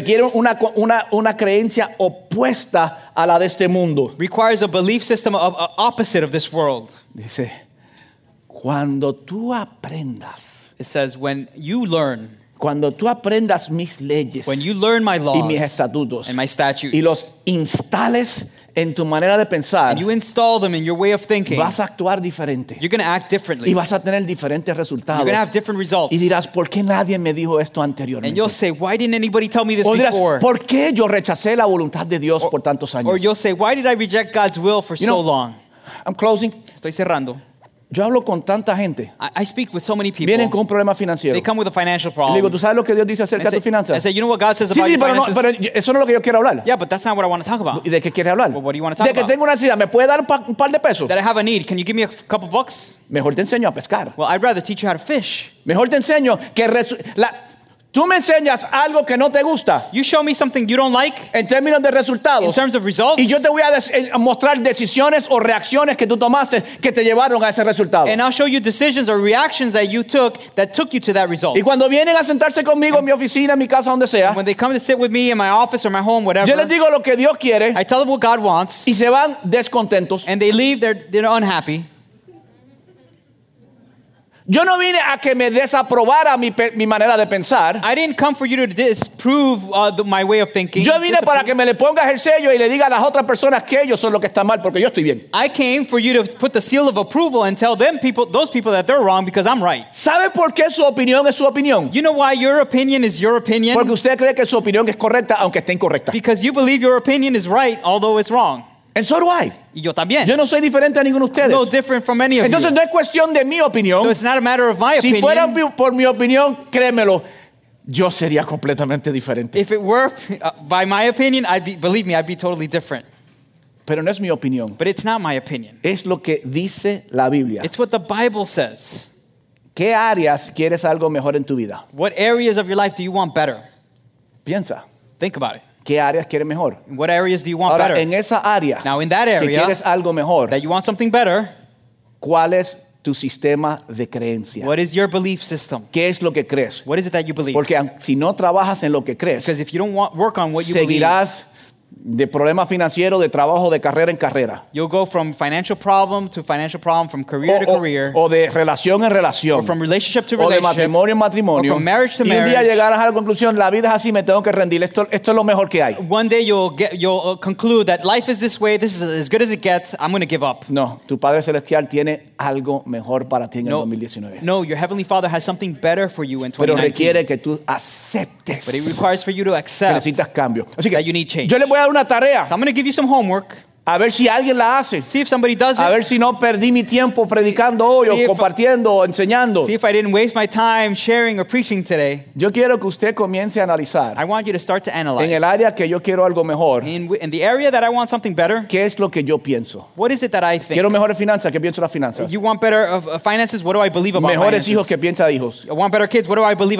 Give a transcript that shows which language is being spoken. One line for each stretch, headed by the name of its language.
Spanish: Requiere una creencia opuesta a la de este mundo.
English: Requires a belief system of opposite of this world.
Spanish: Dice, cuando tú aprendas.
English: It says, when you learn.
Spanish: Cuando tú aprendas mis leyes.
English: When you learn my laws.
Spanish: Y mis estatutos.
English: And my statutes.
Spanish: Y los instales en tu manera de pensar,
English: and you install them in your way of thinking,
Spanish: vas a actuar diferente.
English: You're going to act differently.
Spanish: Y vas a tener diferentes resultados.
English: You're going to have different results.
Spanish: Y dirás, ¿por qué nadie me dijo esto anteriormente?
English: And you'll say, why didn't anybody tell me this
Spanish: o dirás,
English: before?
Spanish: ¿Por qué yo rechacé la voluntad de Dios por tantos años?
English: Or you'll say, why did I reject God's will for you know, so long? I'm closing.
Spanish: Estoy cerrando. Yo hablo con tanta gente.
English: I speak with so many people.
Spanish: Vienen con un problema financiero.
English: They come with a financial problem.
Spanish: Y digo, ¿tú sabes lo que Dios dice acerca de tus finanzas?
English: I say, you know what God says
Spanish: sí,
English: about
Spanish: sí,
English: your
Spanish: pero
English: finances?
Spanish: No, pero eso no es lo que yo quiero hablar.
English: Yeah, but that's not what I want to talk about.
Spanish: ¿Y de qué quieres hablar?
English: Well, what do you want to talk
Spanish: de
English: about?
Spanish: De que tengo una necesidad. ¿Me puede dar un par de pesos?
English: That I have a need. Can you give me a couple bucks?
Spanish: Mejor te enseño a pescar.
English: Well, I'd rather teach you how to fish.
Spanish: Mejor te enseño que tú me enseñas algo que no te gusta.
English: You show me something you don't like.
Spanish: En términos de resultados.
English: In terms of results.
Spanish: Y yo te voy a mostrar decisiones o reacciones que tú tomaste que te llevaron a ese resultado.
English: And I'll show you decisions or reactions that you took that took you to that result.
Spanish: Y cuando vienen a sentarse conmigo en mi oficina, en mi casa, donde sea.
English: When they come to sit with me in my office or my home, whatever.
Spanish: Yo les digo lo que Dios quiere.
English: I tell them what God wants.
Spanish: Y se van descontentos.
English: And they leave, they're unhappy.
Spanish: Yo no vine a que me desaprobara mi manera de pensar.
English: I didn't come for you to disprove my way of thinking.
Spanish: Yo vine para que me le pongas el sello y le diga a las otras personas que ellos son lo que está mal porque yo estoy bien.
English: I came for you to put the seal of approval and tell those people that they're wrong because I'm right.
Spanish: ¿Sabe por qué su opinión es su opinión?
English: You know why your opinion is your opinion?
Spanish: Porque usted cree que su opinión es correcta aunque esté incorrecta.
English: Because you believe your opinion is right although it's wrong. And so do I.
Spanish: Y yo también. Yo no soy diferente a ninguno de ustedes.
English: No different from any of
Spanish: Entonces, Entonces no es cuestión de mi opinión.
English: So it's not a matter of my
Spanish: si
English: opinion.
Spanish: Si fuera por mi opinión, créemelo, yo sería completamente diferente.
English: If it were by my opinion, I'd be totally different.
Spanish: Pero no es mi opinión.
English: But it's not my opinion.
Spanish: Es lo que dice la Biblia.
English: It's what the Bible says.
Spanish: ¿Qué áreas quieres algo mejor en tu vida?
English: What areas of your life do you want better?
Spanish: Piensa.
English: Think about it.
Spanish: ¿Qué áreas quieres mejor?
English: What areas do you want
Spanish: Ahora,
English: better?
Spanish: En esa área,
English: Now in that area,
Spanish: que quieres algo mejor,
English: that you want something better,
Spanish: ¿cuál es tu sistema de creencia?
English: What is your belief system?
Spanish: ¿Qué es lo que crees?
English: What is it that you believe?
Spanish: Porque si no trabajas en lo que crees,
English: Because if you don't work on what you
Spanish: seguirás
English: believe,
Spanish: de problema financiero, de trabajo, de carrera en carrera.
English: You'll go from financial problem, from career to career.
Spanish: O de relación en relación.
English: Or from relationship to relationship.
Spanish: O de matrimonio en matrimonio.
English: Or from marriage to marriage.
Spanish: Y un día llegarás a la conclusión, la vida es así, me tengo que rendir. Esto es lo mejor que hay.
English: One day you'll conclude that life is this way, this is as good as it gets, I'm going to give up.
Spanish: No, tu Padre Celestial tiene algo mejor para ti en el 2019.
English: No, your Heavenly Father has something better for you in 2019.
Spanish: Pero requiere que tú aceptes.
English: But it requires for you to accept.
Spanish: Que necesitas cambio. Así que,
English: that you need change.
Spanish: Yo le voy a dar una tarea.
English: So I'm going to give you some homework.
Spanish: A ver si alguien la hace.
English: See if somebody does it.
Spanish: A ver si no perdí mi tiempo predicando hoy o compartiendo o enseñando.
English: See if I didn't waste my time sharing or preaching today.
Spanish: Yo quiero que usted comience a analizar.
English: I want you to start to analyze.
Spanish: En el área que yo quiero algo mejor.
English: In the area that I want something better.
Spanish: ¿Qué es lo que yo pienso?
English: What is it that I think?
Spanish: Quiero mejores finanzas. ¿Qué pienso de las finanzas?
English: You want better finances? What do I believe about
Spanish: mejores
English: finances?
Spanish: Mejores hijos. ¿Qué pienso de hijos?
English: I want better kids. What do I believe